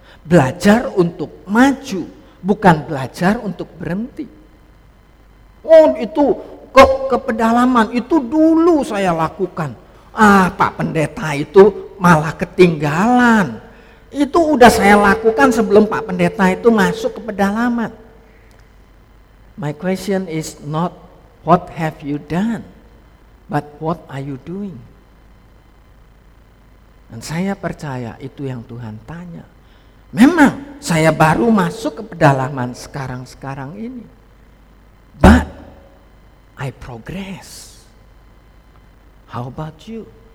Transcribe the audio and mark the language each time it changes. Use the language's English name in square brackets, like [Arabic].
[Indonesian] Belajar untuk maju, bukan belajar untuk berhenti. Oh itu kok ke pedalaman, itu dulu saya lakukan. Ah Pak Pendeta itu malah ketinggalan. Itu udah saya lakukan sebelum Pak Pendeta itu masuk ke pedalaman. [English] My question is not what have you done, but what are you doing? [Indonesian] Dan saya percaya itu yang Tuhan tanya. Memang saya baru masuk ke pedalaman sekarang-sekarang ini. [English] But I progress. How about you?